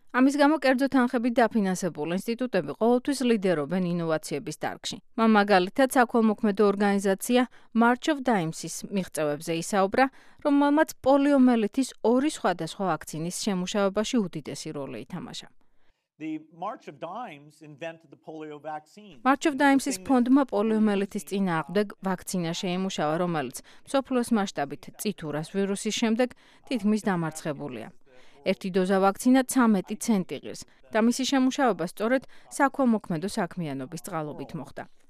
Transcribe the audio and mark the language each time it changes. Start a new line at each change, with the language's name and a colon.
Georgian: ამის გამო კერძო თანხებით დაფინანსებული ინსტიტუტები ყოველთვის ლიდერობენ ინოვაციების დარგში. მან მაგალითად საქველმოქმედო ორგანიზაცია March of Dimes-ის მიღწევებზე ისაუბრა, რომელმაც პოლიომელიტის ორი სხვადასხვა ვაქცინის შემუშავებაში უდიდესი როლი ითამაშა.
English: The March of Dimes invented the polio vaccine.
Georgian: March of Dimes-ის ფონდმა პოლიომელიტის წინააღმდეგ ვაქცინა შეიმუშავა, რომელიც მსოფლიოს მასშტაბით წითურას ვირუსის შემდეგ თითქმის დამარცხებულია. ერთი დოზა ვაქცინა 13 ცენტი ღირს და მისი შემუშავება სწორედ საქველმოქმედო საქმიანობის წყალობით მოხდა.